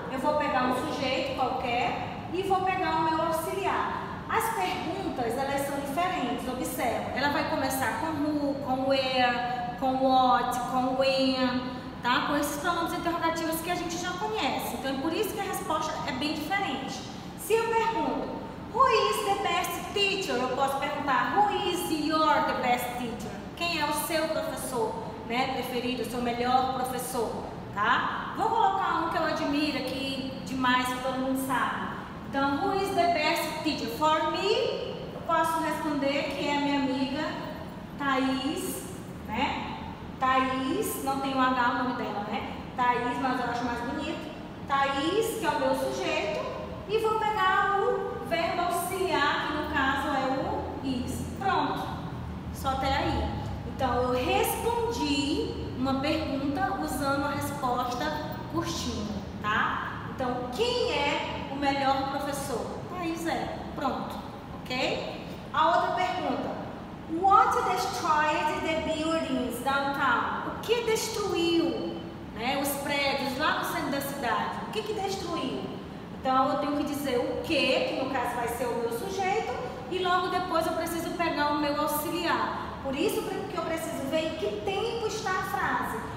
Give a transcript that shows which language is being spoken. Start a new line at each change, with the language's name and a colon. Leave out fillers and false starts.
Portuguese: Eu vou pegar um sujeito qualquer e vou pegar o meu auxiliar. As perguntas, elas são diferentes, observa. Ela vai começar com who, com where, com what, com when, tá? Com esses pronomes interrogativos que a gente já conhece. Então, é por isso que a resposta é bem diferente. Se eu pergunto,
English: who is the best teacher?
Portuguese: Eu posso perguntar,
English: who is your the best teacher?
Portuguese: Quem é o seu professor, né, preferido, seu melhor professor, tá? Vou colocar um que eu admiro aqui demais, que todo mundo sabe. Então,
English: who is the best teacher? For me,
Portuguese: eu posso responder que é a minha amiga Thaís, né? Thaís, não tem um H o nome dela, né? Thaís, mas eu acho mais bonito. Thaís, que é o meu sujeito. E vou pegar o verbo auxiliar, que no caso é o is. Pronto. Só até aí. Então, eu respondi uma pergunta usando a resposta curtinha, tá? Então, quem é o melhor professor? Thaís é. Pronto. Ok? A outra pergunta.
English: What destroyed the buildings downtown?
Portuguese: O que destruiu, né, os prédios lá no centro da cidade? O que, que destruiu? Então, eu tenho que dizer o que no caso vai ser o meu sujeito, e logo depois eu preciso pegar o meu auxiliar. Por isso que eu preciso ver em que tempo está a frase.